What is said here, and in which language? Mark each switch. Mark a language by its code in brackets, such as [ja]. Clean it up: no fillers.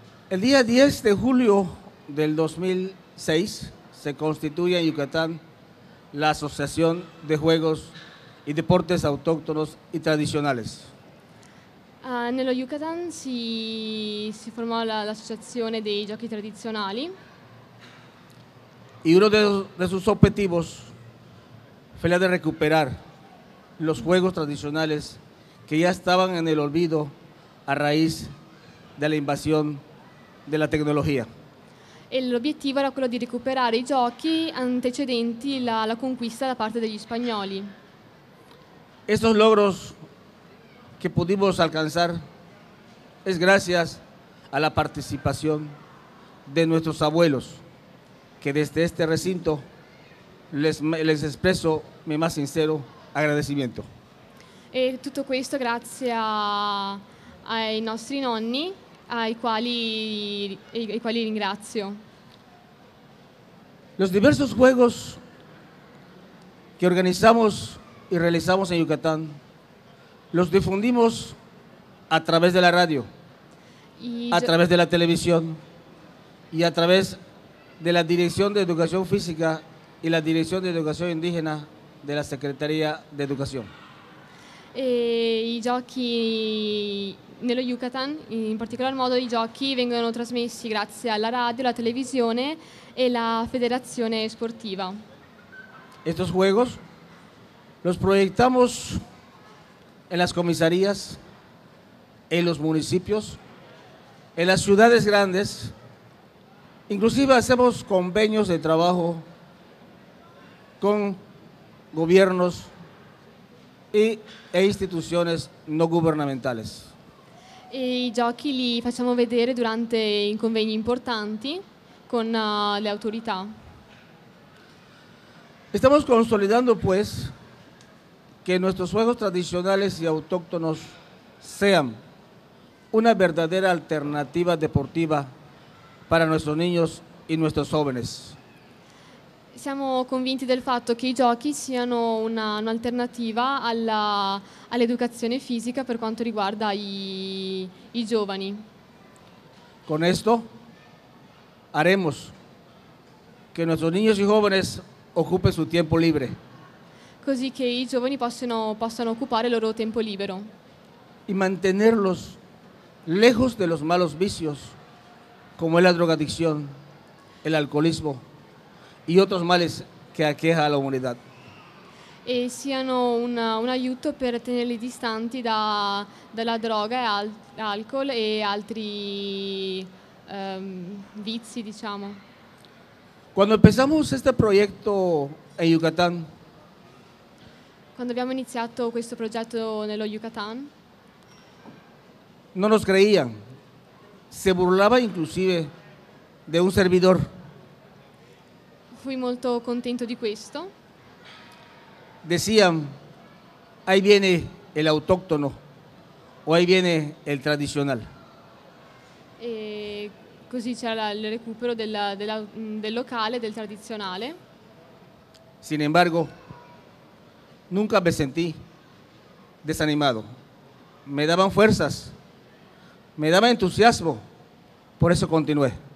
[es] El día 10 de julio del 2006 se constituye en Yucatán la Asociación de Juegos y Deportes Autóctonos y Tradicionales. [it] Nello Yucatán si formò l'associazione dei giochi tradizionali. [es] Y uno de sus objetivos fue la de recuperar los juegos tradicionales que ya estaban en el olvido a raíz de la invasión de la tecnología. [it] E l'obiettivo era quello di recuperare i giochi antecedenti la conquista da parte degli spagnoli. [es] Estos logros que pudimos alcanzar es gracias a la participación de nuestros abuelos, que desde este recinto les expreso mi más sincero agradecimiento. [it] E tutto questo grazie ai nostri nonni, ai quali ringrazio. [es] Los diversos juegos que organizamos y realizamos en Yucatán los difundimos a través de la radio, a través de la televisión y a través de la Dirección de Educación Física y la Dirección de Educación Indígena de la Secretaría de Educación. [it] I giochi nello Yucatán, in particolar modo i giochi, vengono trasmessi grazie alla radio, la televisione e la federazione sportiva. [es] Estos juegos los proyectamos en las comisarías, en los municipios, en las ciudades grandes. Inclusive hacemos convenios de trabajo con gobiernos e instituciones no gubernamentales. [it] E i giochi li facciamo vedere durante i convegni importanti con le autorità. [es] Estamos consolidando pues que nuestros juegos tradicionales y autóctonos sean una verdadera alternativa deportiva para nuestros niños y nuestros jóvenes. [it] Siamo convinti del fatto che i giochi siano un'alternativa all'educazione fisica per quanto riguarda i giovani. [es] Con esto haremos que nuestros niños y jóvenes ocupen su tiempo libre. [it] Così che i giovani possano occupare il loro tempo libero. [es] Y mantenerlos lejos de los malos vicios como es la drogadicción, el alcoholismo y otros males que aqueja a la humanidad. [it] E siano un aiuto per tenerli distanti dalla droga e alcol e altri vizi, diciamo. [es] Cuando empezamos este proyecto en Yucatán. [it] Quando abbiamo iniziato questo progetto nello Yucatán. [es] Non nos creían. Se burlaba inclusive de un servidor. [it] fui molto contento di questo. [es] Decían, ahí viene el autóctono o ahí viene el tradicional. [it] E così c'era il recupero del locale, del tradizionale. [es] Sin embargo, nunca me sentí desanimado. Me daban fuerzas, me daba entusiasmo, por eso continué.